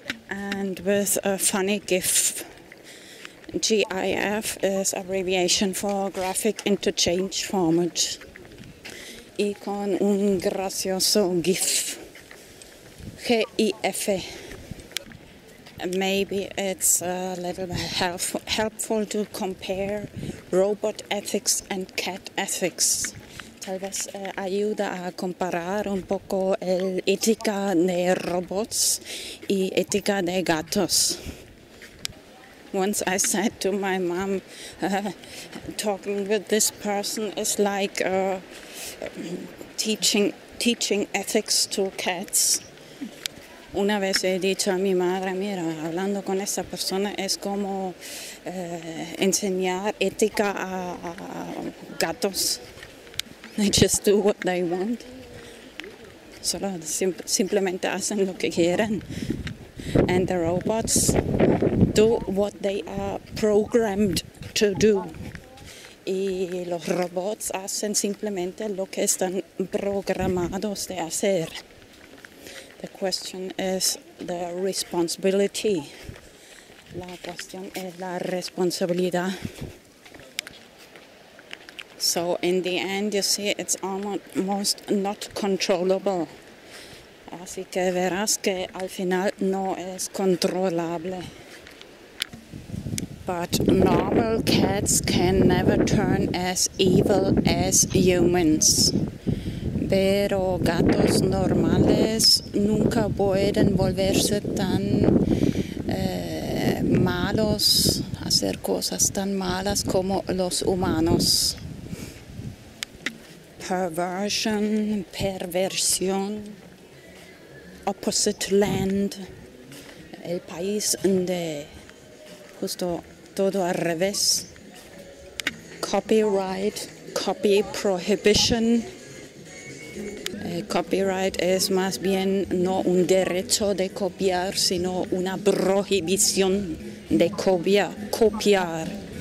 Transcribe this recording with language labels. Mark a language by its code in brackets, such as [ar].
[en] And with a funny GIF, GIF is abbreviation for Graphic Interchange Format. [es] Y con un gracioso GIF, GIF. [en] maybe it's a little helpful to compare robot ethics and cat ethics. [es] Tal vez ayuda a comparar un poco el ética de robots y ética de gatos. [en] Once I said to my mom, talking with this person is like teaching ethics to cats. [es] Una vez he dicho a mi madre, mira, hablando con esa persona es como enseñar ética a gatos. [en] They just do what they want. [es] Solo simplemente hacen lo que quieren. [en] And the robots do what they are programmed to do. [es] Y los robots hacen simplemente lo que están programados de hacer. [en] The question is the responsibility. [es] La cuestión es la responsabilidad. [en] So in the end, you see, it's almost not controllable. [es] Así que verás que al final no es controlable. [en] But normal cats can never turn as evil as humans. [es] Pero gatos normales nunca pueden volverse tan malos, hacer cosas tan malas como los humanos. Perversion, perversión, [en] opposite land, [es] el país de justo todo al revés, copyright, [en] copy prohibition, [es] copyright es más bien no un derecho de copiar, sino una prohibición de copiar.